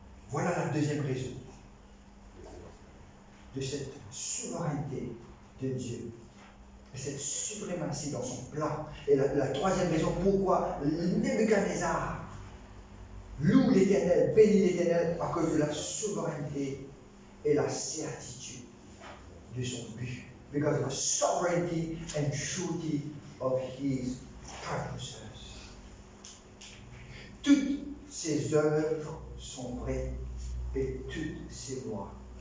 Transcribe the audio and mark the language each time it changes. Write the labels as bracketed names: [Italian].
[French] Voilà la deuxième raison de cette souveraineté de Dieu, de cette suprématie dans son plan. Et la troisième raison pourquoi Nebuchadnezzar loue l'Éternel, bénit l'Éternel à cause de la souveraineté et la certitude de son but. [English] Because of the sovereignty and surety of his purposes. [French] Toutes ses œuvres sont vraies et toutes ses lois.